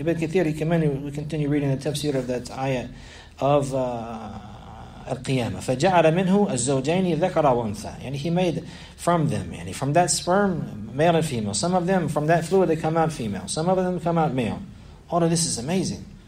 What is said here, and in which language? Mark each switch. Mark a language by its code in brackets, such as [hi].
[en] Ibn Kathir, we continue reading the tafsir of that ayah of القيامة. [ar] فجعل منه الزوجين ذكر وأنثى. [en] يعني he made from them, يعني from that sperm, male and female. Some of them from that fluid they come out female. Some of them come out male. All of this is amazing.